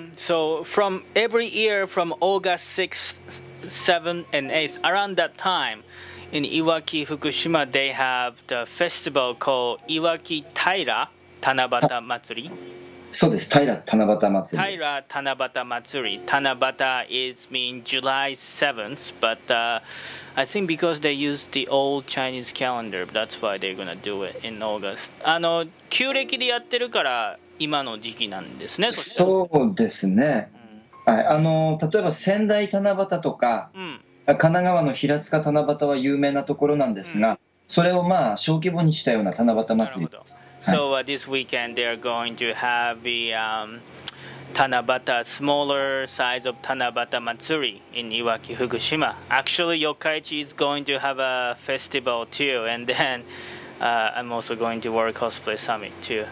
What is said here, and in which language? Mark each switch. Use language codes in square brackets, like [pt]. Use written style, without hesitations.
[en] So from every year from August 6th, 7th and 8th, around that time in Iwaki, Fukushima, they have the festival called Iwaki [ja] 平七夕祭り。そうです。平七夕祭り。 [en] Tanabata is mean July 7th, but I think because they use the old Chinese calendar, that's why they're gonna do it in August. [ja] 旧暦でやってるから今の時期なんですね。そうですね。はい、例えば仙台七夕とか、神奈川の平塚七夕は有名なところなんですが、それをまあ小規模にしたような七夕祭りです。 [en] So this weekend they are going to have the Tanabata, smaller size of Tanabata Matsuri in Iwaki, Fukushima. Actually, Yokkaichi is going to have a festival too, and then I'm also going to World Cosplay Summit too.